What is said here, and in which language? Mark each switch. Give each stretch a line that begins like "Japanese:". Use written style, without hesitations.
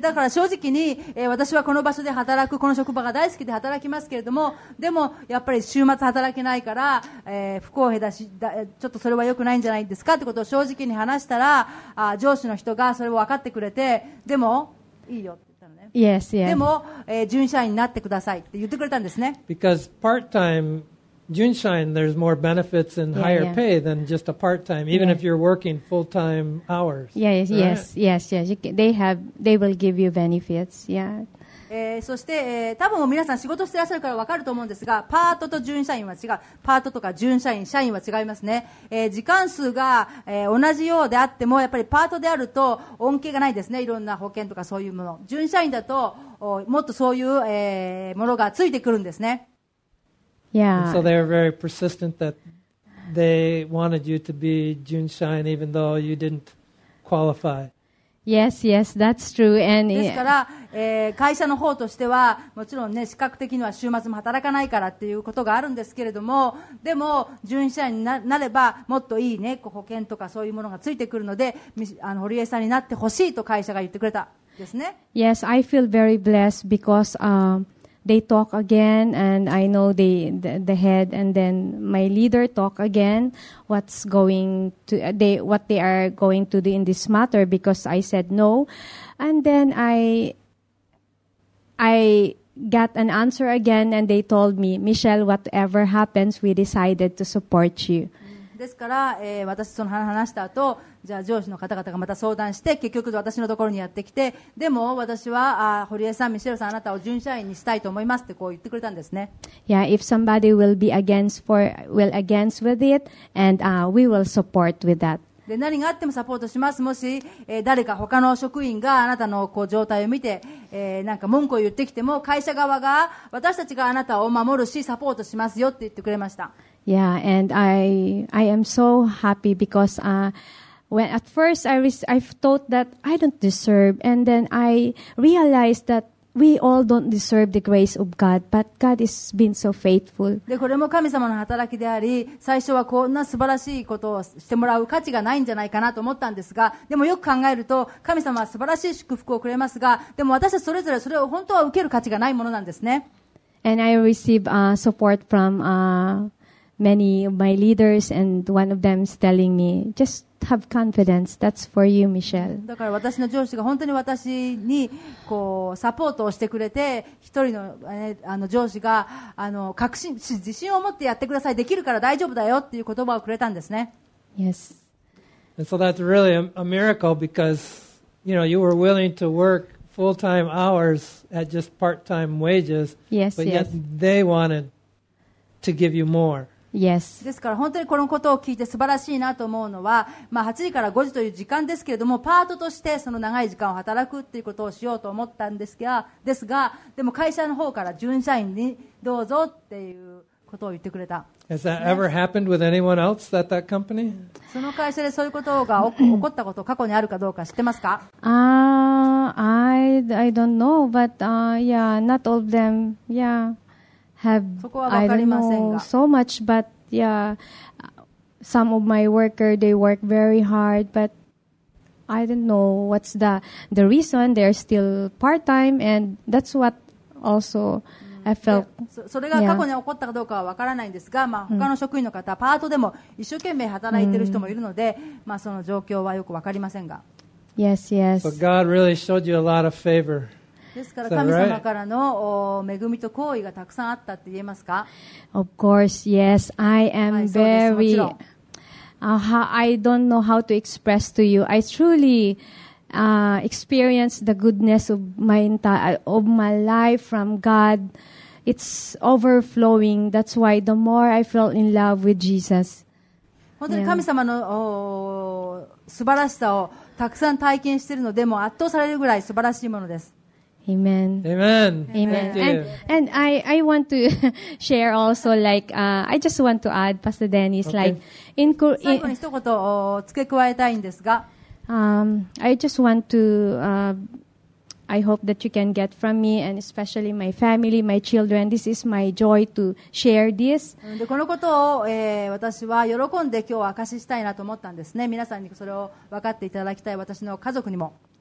Japanese: だから正直に、私はこの場所で働く、この職場が大好きで働きますけれども、でもやっぱり週末働けないから、不公平だし、ちょっとそれは良くないんじゃないですかってことを正直に話したら、上司の人がそれを分かってくれて、でもいいよって言ったのね。
English: Yes, yes.
Japanese: でも、準社員になってくださいって言ってくれたんですね。
English: Because part-time Junshine, there's more benefits and higher pay than just a part-time, even if you're working full-time hours. Yes. They will give you benefits, yeah.
Japanese: そして、多分皆さん仕事してらっしゃるから分かると思うんですが、パートと準社員は違う。パートとか準社員、社員は違いますね。時間数が、同じようであっても、やっぱりパートであると恩恵がないですね。いろんな保険とかそういうもの。準社員だと、もっとそういう、ものがついてくるんですね。
English: Yeah. So they are very persistent that they wanted you to be 準社員 even though you didn't qualify. Yes, yes, that's true. And
Japanese: ですから、会社の方としてはもちろんね、資格的には週末も働かないからっていうことがあるんですけれども、でも準社員になればもっといいね、保険とかそういうものがついてくるので、あの堀江さんになってほしいと会社が言ってくれたですね。
English: Yes, I feel very blessed because、they talk again and I know the head and then my leader talk again what they are going to do in this matter, because I said no and then I got an answer again and they told me, Michelle, whatever happens, we decided to support you.
Japanese: ですから、私その話した後、じゃあ上司の方々がまた相談して、結局私のところにやってきて、でも私は、堀江さん、ミシェルさん、あなたを準社員にしたいと思いますってこう言ってくれたんですね。
English: Yeah, if somebody will be against with it, and we will support with that.
Japanese: で何があってもサポートします。もし、誰か他の職員があなたのこう状態を見て、なんか文句を言ってきても、会社側が私たちがあなたを守るしサポートしますよって言ってくれました。
English: Yeah, and I am so happy because when at first I thought that I don't deserve, and then I realized that we all don't deserve the grace of God, but God has been so faithful.
Japanese: で、これも神様の働きであり、最初はこんな素晴らしいことをしてもらう価値がないんじゃないかなと思ったんですが、でもよく考えると、神様は素晴らしい祝福をくれますが、でも私たちそれぞれそれを本当は受ける価値がないものなんですね。
English: And I receive support from many of my leaders, and one of them is telling me, just have confidence. That's for you, Michelle.
Japanese: だから私の上司が本当に私にこうサポートをしてくれて、一人 の,、ね、あの上司があの確信自信を持ってやってください、できるから大丈夫だよっていう言葉をくれたんですね。
English: Yes. And so that's really a miracle because you know you were willing to work full-time hours at just part-time wages. Yes. But yes. yet they wanted to give you more. Yes.
Japanese: ですから本当にこのことを聞いて素晴らしいなと思うのは、まあ、8時から5時という時間ですけれども、パートとしてその長い時間を働くということをしようと思ったんですが、でも会社の方から準社員にどうぞっていうことを言ってくれた。
English: Has that ever happened with anyone else at that company?
Japanese: その会社でそういうことが起こったこと過去にあるかどうか知ってますか？
English: I don't know, but yeah, not all of them, yeah. I don't know so much, but yeah, some of my workers, they work very hard, but I don't know what's the reason. They're still part-time, and that's what also... I felt,
Japanese: それが過去に起こったかどうかは分からないんですが、まあ、他の職員の方、パートでも一生懸命働いている人もいるので、まあ、その状況はよく分かりませんが。
English: Yes, yes. But God really showed you a lot of favor.
Japanese: ですから神様からの恵みと好意がたくさんあったって言えますか？
English: Of course, yes. I am very... I don't know how to express to you. I truly experienced the goodness of my life from God. It's overflowing. That's why the more I fell in love with Jesus.
Japanese: 本当に神様の素晴らしさをたくさん体験しているので、もう圧倒されるぐらい素晴らしいものです。
English: Amen. Amen. Amen. And I want to share also, like, I just want to add, Pastor Dennis, okay. like, in Korea.
Japanese: 最後に一言を付け加えたいんですが。
English: I just want to, I hope that you can get from me and especially my family, my children. This is my joy to share this.
Japanese: で、このことを、私は喜んで今日は明かしたいなと思ったんですね。皆さんにそれを分かっていただきたい、私の家族にも。